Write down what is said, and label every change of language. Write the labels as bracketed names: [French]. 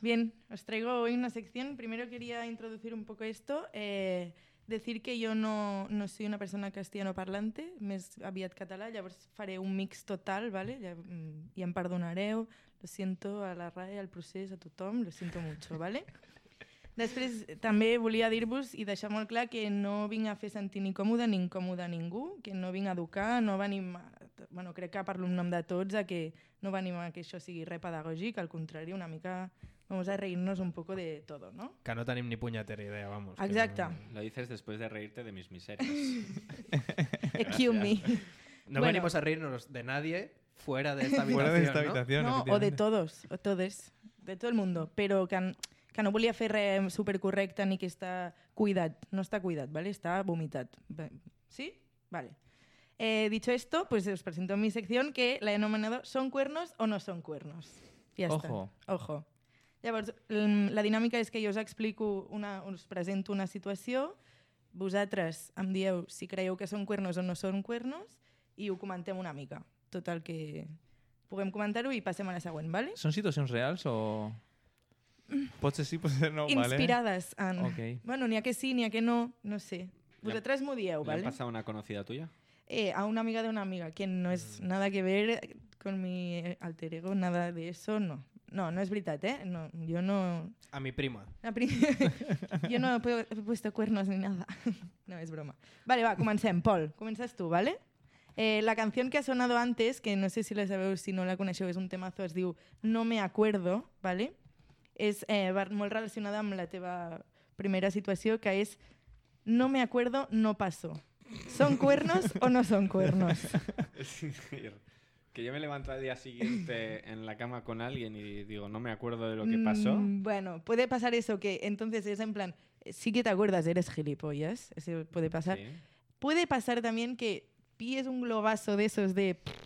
[Spanish] Bien, os traigo hoy una sección. Primero quería introducir un poco esto. Decir que yo no soy una persona castellanoparlante, [Catalan] més aviat català, llavors faré un mix total, ¿vale? Ya em perdonareu, lo siento a la RAE, al procés, a tothom, lo siento mucho, ¿vale? Després també volia dir-vos i deixar molt clar que no vinc a fer sentir ni còmode ni incòmode a ningú, que no vinc a educar, no venim a... Bueno, crec que parlo en nom de tots, que no venim a que això sigui re pedagògic, al contrari, una mica [Spanish] vamos a reírnos un poco de todo, ¿no? [Catalan] Que no tenim ni [Spanish] puñetera idea, vamos. Exacto. No... Lo dices después de reírte de mis miserias. Excuse me. No, bueno, venimos a reírnos de nadie fuera de esta habitación, fuera de esta habitación, ¿no? No, o de todos, o todes, de todo el mundo. [Catalan] Pero que no volia fer res supercorrecte ni que està cuidat. No està cuidat, ¿vale? Està vomitat. ¿Sí? Vale. [Spanish] Dicho esto, pues os presento mi sección que la he nomenado ¿Son cuernos o no son cuernos? Ya está. Ojo. Ojo. [Catalan] Llavors, la dinàmica és que jo us explico, us presento una situació, vosaltres em dieu si creieu que són cuernos o no són cuernos i ho comentem una mica, tot el que puguem comentar-ho i passem a la següent, ¿vale? Són situacions reals o... Pot ser sí, pot ser no, ¿vale? Inspirades en... Okay. Bueno, n'hi ha que sí, n'hi ha que no, no sé. Vosaltres m'ho dieu, ¿vale? [Spanish] ¿Le ha pasado una conocida tuya? A una amiga de una amiga, que no es nada que ver con mi alter ego, nada de eso, no. No, no es verdad, ¿eh? No, yo no... A mi prima. Yo no he puesto cuernos ni nada. No, es broma. Vale, [Catalan] va, comencem. [Spanish] Paul, [Catalan] comences tú, [Spanish] ¿vale? La canción que ha sonado antes, que no sé si la [Catalan] sabeu, si no la coneixeu, [Spanish] es un temazo, [Catalan] es diu [Spanish] No me acuerdo, ¿vale? [Catalan] Es molt relacionada amb la teva primera situació, que és No me acuerdo, no paso. [Spanish] ¿Son cuernos o no son cuernos? Sí, que yo me levanto al día siguiente en la cama con alguien y digo, no me acuerdo de lo que pasó. Bueno, puede pasar eso, que entonces es en plan, sí que te acuerdas, eres gilipollas, eso puede pasar. Sí. Puede pasar también que pilles un globazo de esos de...